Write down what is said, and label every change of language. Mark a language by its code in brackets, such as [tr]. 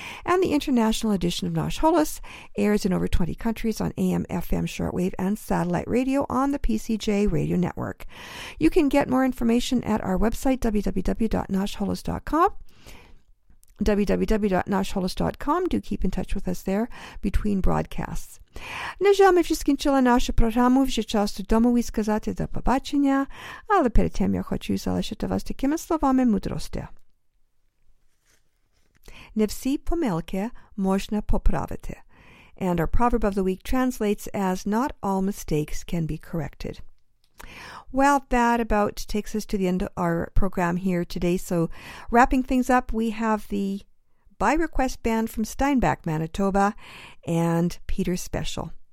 [en] And the international edition of Nash Holos airs in over 20 countries on AM, FM, shortwave, and satellite radio on the PCJ Radio Network. You can get more information at our website, www.nashholos.com. www.nashholos.com. Do keep in touch with us there between broadcasts. [uk] Нажами вже скінчила наша програма, вже час додому і сказати до побачення, але перед тим я хочу залишити вас такими словами мудрості. Не всі помилки можна поправити. [en] And our proverb of the week translates as, not all mistakes can be corrected. Well, that about takes us to the end of our program here today. So wrapping things up, we have the By Request Band from Steinbach, Manitoba, and Peter Special.